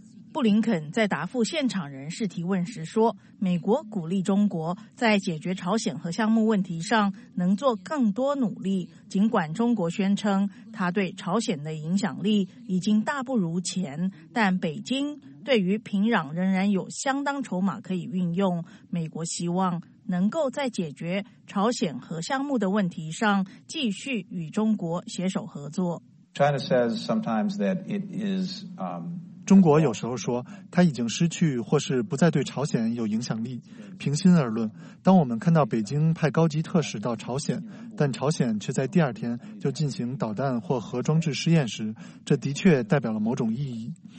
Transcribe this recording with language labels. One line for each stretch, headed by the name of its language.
Chinese: 布林肯在答复现场人士提问时说，美国鼓励中国在解决朝鲜核项目问题上能做更多努力，尽管中国宣称他对朝鲜的影响力已经大不如前，但北京对于平壤仍然有相当筹码可以运用，美国希望能够在解决朝鲜核项目的问题上继续与中国携手合作。
English: China says sometimes that it is,
Chinese: 中国有时候说他已经失去或是不再对朝鲜有影响力。平心而论，当我们看到北京派高级特使到朝鲜，但朝鲜却在第二天就进行导弹或核装置试验时，这的确代表了某种意义。